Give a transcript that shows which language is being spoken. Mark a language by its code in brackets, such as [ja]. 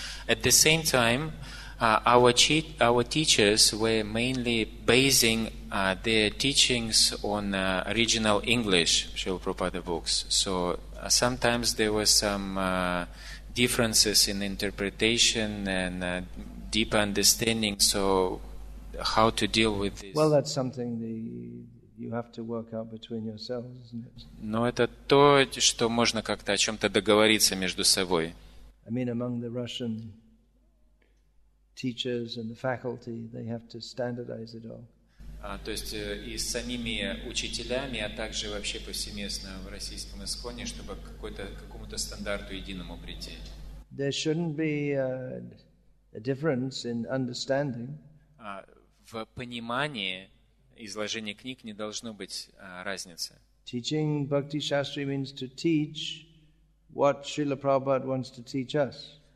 [en] At the same time, our teachers were mainly basing their teachings on original English Srila Prabhupada books. So sometimes there were some differences in interpretation and deep understanding. So how to deal with this? Well, that's something you have to work out between yourselves, isn't it? [ru] Но это то, что можно как-то о чем-то договориться между собой. [en] I mean, among the Russian teachers and the faculty, they have to standardize it all. [ru] То есть и с самими учителями, а также вообще повсеместно в российском исконе, чтобы какому-то стандарту единому прийти. [en] There shouldn't be a difference in understanding. [ru] В понимании изложения книг не должно быть разницы. [en] Teaching Bhakti Shastri means to teach what Srila Prabhupada wants to teach us.